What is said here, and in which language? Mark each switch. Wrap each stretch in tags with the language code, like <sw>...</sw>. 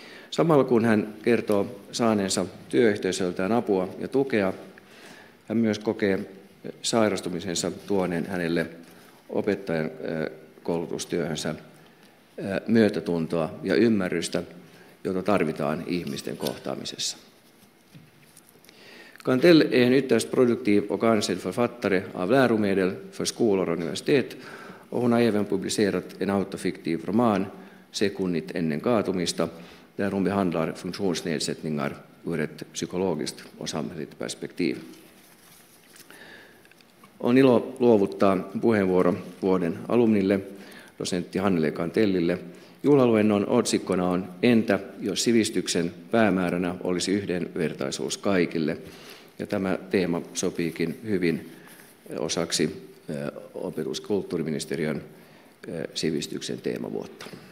<fi>Samalla kun hän kertoo saaneensa työyhteisöltään apua ja tukea, hän myös kokee sairastumisensa tuoneen hänelle opettajan koulutustyöhönsä myötätuntoa ja ymmärrystä, jota tarvitaan ihmisten kohtaamisessa.</fi> <sv>Kantell är en ytterst produktiv och ansedd författare av läromedel för skolor och universitet, och hon har även publicerat en autofiktiv roman, Sekunnit ennen kaatumista, där hon behandlar funktionsnedsättningar ur ett psykologiskt och samhälleligt perspektiv.</sv> <fi>On ilo luovuttaa puheenvuoro vuoden alumnille, dosentti Hannele Kantellille. Juhlaluennon otsikkona on Entä, jos sivistyksen päämääränä olisi yhdenvertaisuus kaikille? Ja tämä teema sopiikin hyvin osaksi opetus- ja kulttuuriministeriön sivistyksen teemavuotta.</fi>